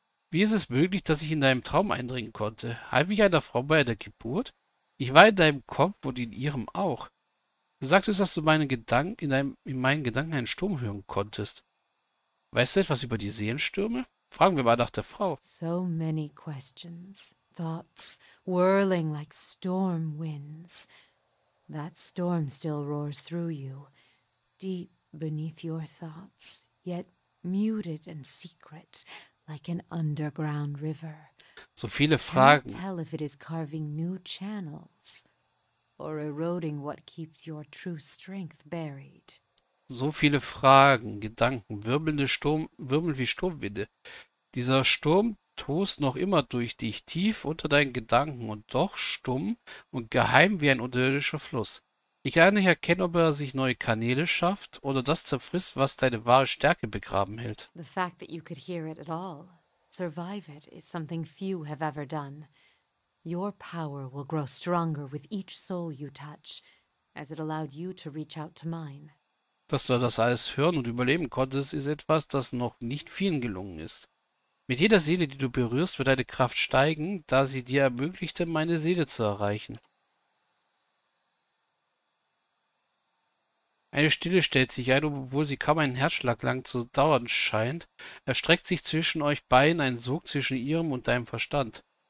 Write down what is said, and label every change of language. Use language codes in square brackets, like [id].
[de] Wie ist es möglich, dass ich in deinem Traum eindringen konnte? Half ich einer Frau bei der Geburt? Ich war in deinem Kopf und in ihrem auch. Du sagtest, dass du in meinen Gedanken einen Sturm hören konntest. Weißt du etwas über die Seelenstürme? Fragen wir mal nach der Frau. [en] So many questions. Thoughts whirling like storm winds. That storm still roars through you, deep beneath your thoughts, yet muted and secret, like an underground river. [de] So viele Fragen. [en] Can't tell if it is carving new channels or eroding what keeps your true strength buried. [de] So viele Fragen, Gedanken, wirbeln wie Sturmwinde. Dieser Sturm tost noch immer durch dich, tief unter deinen Gedanken und doch stumm und geheim wie ein unterirdischer Fluss. Ich kann nicht erkennen, ob er sich neue Kanäle schafft oder das zerfrisst, was deine wahre Stärke begraben hält. [en] The fact that you could hear it at all, survive it, is something few have ever done. Your power will grow stronger with each soul you touch, as it allowed you to reach out to mine. [de] Dass du das alles hören und überleben konntest, ist etwas, das noch nicht vielen gelungen ist. Mit jeder Seele, die du berührst, wird deine Kraft steigen, da sie dir ermöglichte, meine Seele zu erreichen. Eine Stille stellt sich ein, obwohl sie kaum einen Herzschlag lang zu dauern scheint, erstreckt sich zwischen euch beiden ein Sog zwischen ihrem und deinem Verstand.